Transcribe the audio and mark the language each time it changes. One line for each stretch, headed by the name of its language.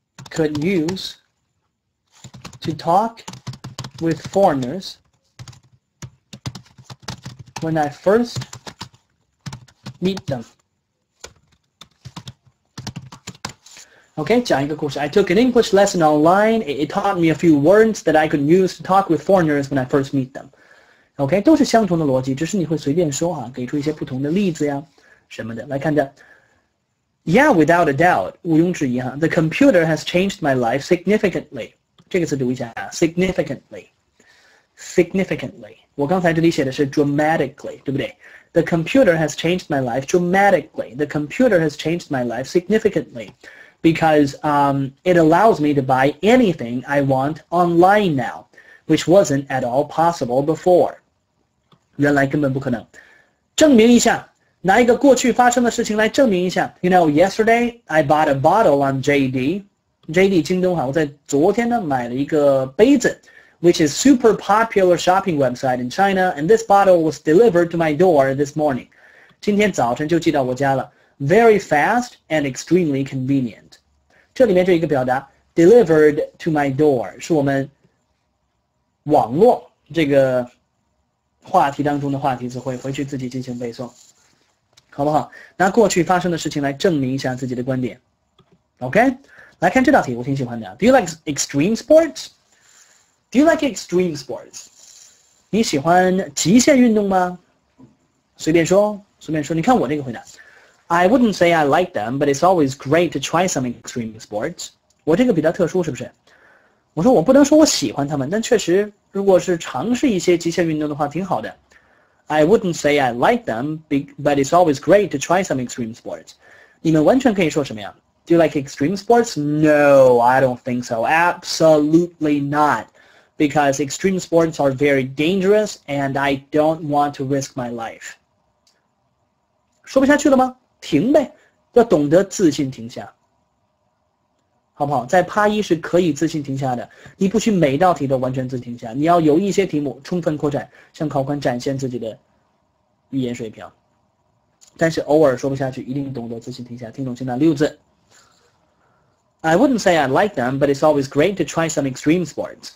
English: could use to talk with foreigners when I first meet them. Okay,
Chinese: 讲一个故事。
English: I took an English lesson online. It taught me a few words that I could use to talk with foreigners when I first meet them.
Chinese: Okay, 都是相同的逻辑，只是你会随便说啊，给出一些不同的例子呀，什么的。来看着。
English: Yeah, without a doubt,
Chinese: 毋庸置疑哈。
English: The computer has changed my life significantly.
Chinese: 这个词读一下啊 significantly. Significantly. 我刚才这里写的是 dramatically, 对不对
English: The computer has changed my life dramatically. The computer has changed my life significantly because it allows me to buy anything I want online now, which wasn't at all possible before.
Chinese: 原来根本不可能。证明一下，拿一个过去发生的事情来证明一下。
English: You know, yesterday I bought a bottle on JD.
Chinese: JD 京东哈，我在昨天呢买了一个杯子。
English: Which is super popular shopping website in China, and this bottle was delivered to my door this morning.
Chinese: 今天早晨就寄到我家了。
English: Very fast and extremely convenient.
Chinese: 这里面就一个表达
English: delivered to my door
Chinese: 是我们网络这个话题当中的话题词汇，回去自己进行背诵，好不好？拿过去发生的事情来证明一下自己的观点。OK, 来看这道题，我挺喜欢的。
English: Do you like extreme sports? Do you like extreme sports?
Chinese: 你喜欢极限运动吗？随便说，随便说。你看我这个回答。
English: I wouldn't say I like them, but it's always great to try some extreme sports.
Chinese: 我这个比较特殊，是不是？我说我不能说我喜欢他们，但确实，如果是尝试一些极限运动的话，挺好的。
English: I wouldn't say I like them, but it's always great to try some extreme sports.
Chinese: 你们完全可以说什么呀？
English: Do you like extreme sports? No, I don't think so. Absolutely not. Because extreme sports are very dangerous, and I don't want to risk my life.
Chinese: 说不下去了吗？停呗，要懂得自信停下，好不好？在趴一是可以自信停下的，你不需每道题都完全自停下，你要有一些题目充分扩展，向考官展现自己的语言水平。但是偶尔说不下去，一定懂得自信停下，听懂现在六字。
English: I wouldn't say I like them, but it's always great to try some extreme sports.